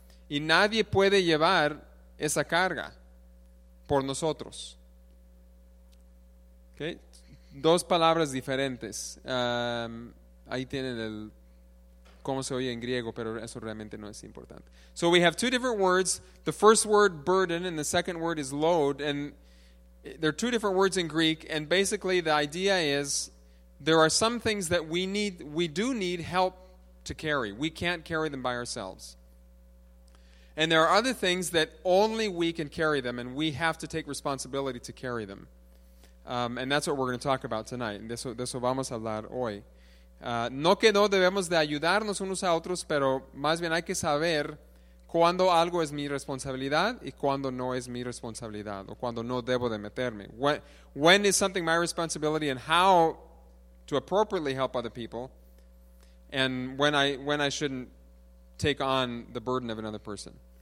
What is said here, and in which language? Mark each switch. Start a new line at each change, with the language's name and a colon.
Spanish: Y nadie puede llevar esa carga por nosotros. Okay. Dos palabras diferentes. Ahí tienen el cómo se oye en griego, pero eso realmente no es importante.
English: So we have two different words. The first word, burden, and the second word is load. And there are two different words in Greek, and basically the idea is there are some things that we do need help to carry. We can't carry them by ourselves. And there are other things that only we can carry them, and we have to take responsibility to carry them. And that's what we're going to talk about tonight.
Spanish: De eso vamos a hablar hoy. No que no debemos de ayudarnos unos a otros, pero más bien hay que saber cuando algo es mi responsabilidad y cuando no es mi responsabilidad o cuando no debo de meterme.
English: When is something my responsibility and how to appropriately help other people and when I shouldn't take on the burden of another person.